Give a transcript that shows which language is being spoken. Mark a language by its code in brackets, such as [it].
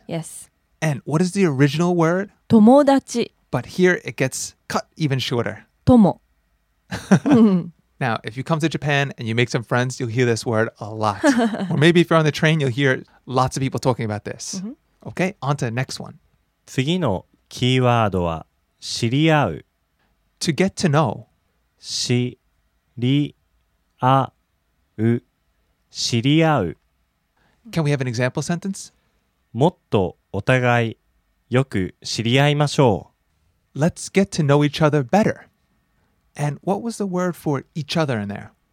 [en] Yes. And what is the original word? [ja] Tomodachi. [en] But here it gets cut even shorter. [ja] Tomo. [en] Now, if you come to Japan and you make some friends, you'll hear this word a lot. Or maybe if you're on the train, you'll hear lots of people talking about this. Mm-hmm. Okay, on to the next one. [ja] 次のキーワードは知り合う。 [en] To get to know. [ja] 知り合う。知り合う。 [en] Can we have an example sentence? [ja] もっとお互いよく知り合いましょう。 [en] Let's get to know each other better. And what was the word for each other in there?